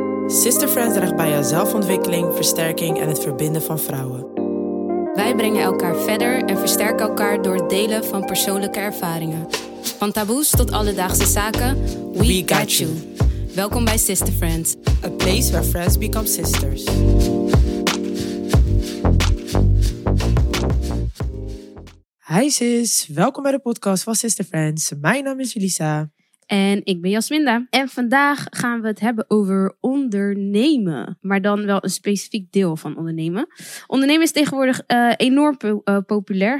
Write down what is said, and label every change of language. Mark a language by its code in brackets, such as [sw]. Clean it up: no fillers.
[nl] Sister Friend draagt bij jou zelfontwikkeling, versterking en het verbinden van vrouwen. Wij brengen elkaar verder en versterken elkaar door het delen van persoonlijke ervaringen. Van taboes tot alledaagse zaken, [en] we got you. [nl] Welkom bij Sister Friends. [en] A place where friends become sisters. [nl] Hi sis, welkom bij de podcast van Sister Friends. Mijn naam is Julissa. En ik ben Jasminda. En vandaag gaan we het hebben over ondernemen. Maar dan wel een specifiek deel van ondernemen. Ondernemen is tegenwoordig enorm populair.